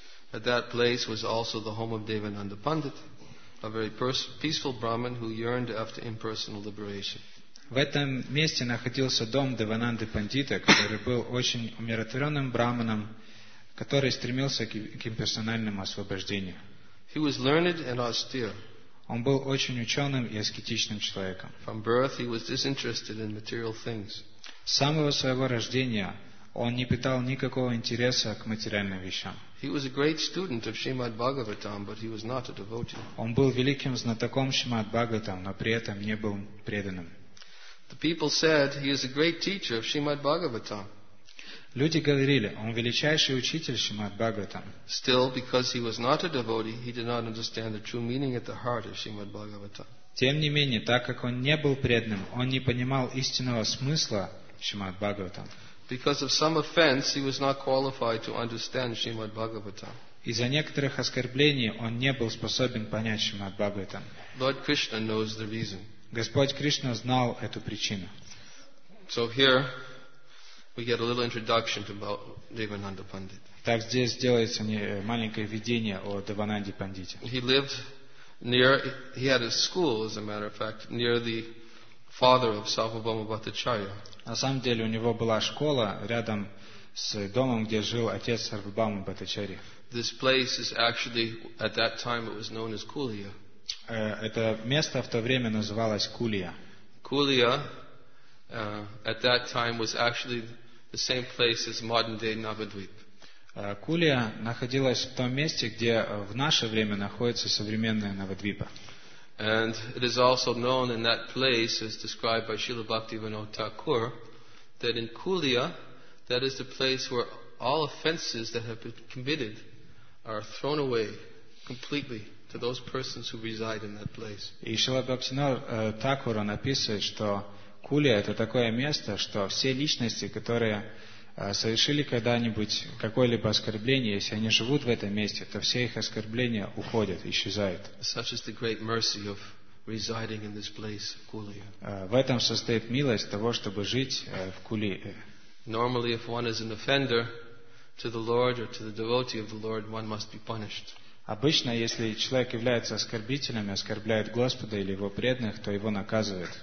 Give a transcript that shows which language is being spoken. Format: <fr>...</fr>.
<en>At that place was also the home of Devananda Pandit, a very peaceful Brahmin who yearned after impersonal liberation.</en> <ru>В этом месте находился дом Девананды Пандита, который был очень умиротворенным Брахманом, который стремился к имперсональному освобождению.</ru> <en>He was learned and austere.</en> <ru>Он был очень ученым и аскетичным человеком.</ru> <en>From birth, he was disinterested in material things.</en> <ru>С самого своего рождения он не питал никакого интереса к материальным вещам.</ru> <en>He was a great student of Srimad Bhagavatam, but he was not a devotee.</en> <ru>Он был великим знатоком Шримад Бхагаватам, но при этом не был преданным.</ru> <en>The people said he is a great teacher of Srimad Bhagavatam.</en> <ru>Люди говорили, он величайший учитель Шримад Бхагаватам.</ru> <en>Still, because he was not a devotee, he did not understand the true meaning at the heart of Shrimad Bhagavatam.</en> <ru>Тем не менее, так как он не был преданным, он не понимал истинного смысла Шримад Бхагаватам.</ru> <en>Because of some offense, he was not qualified to understand Shrimad Bhagavatam.</en> <ru>Из-за некоторых оскорблений он не был способен понять Шримад Бхагаватам.</ru> <en>Lord Krishna knows the reason.</en> <ru>Господь Кришна знал эту причину.</ru> <en>So here we get a little introduction about Devananda Pandit.</en> <ru>Так здесь делается маленькое введение о Девананде Пандите.</ru> <en>He lived near, he had a school, as a matter of fact, near the father of Sarvabhauma Bhattacharya.</en> <ru>На самом деле у него была школа рядом с домом, где жил отец Сарвабхаумы Бхаттачарьи.</ru> <en>This place is actually, at that time it was known as Kulia.</en> <ru>Это место в то время называлось Кулия.</ru> <en>Kulia, at that time was actually the same place as modern day Navadvip.</en> <ru>Кулия находилась в том месте, где в наше время находится современная Навадвипа.</ru> <en>And it is also known in that place, as described by Srila Bhaktivinoda Thakur, that in Kulia, that is the place where all offenses that have been committed are thrown away completely to those persons who reside in that place.</en> <ru>И Шрила Бхактивинода Такур написывает, что Кулия — это такое место, что все личности, которые совершили когда-нибудь какое-либо оскорбление, если они живут в этом месте, то все их оскорбления уходят, исчезают.</ru> <en>Such is the great mercy of residing in this place, Kulia.</en> <ru>В этом состоит милость того, чтобы жить в Кулии.</ru> <en>Normally, if one is an offender to the Lord or to the devotee of the Lord, one must be punished.</en> <ru>Обычно, если человек является оскорбителем, оскорбляет Господа или его преданных, то его наказывают.</ru>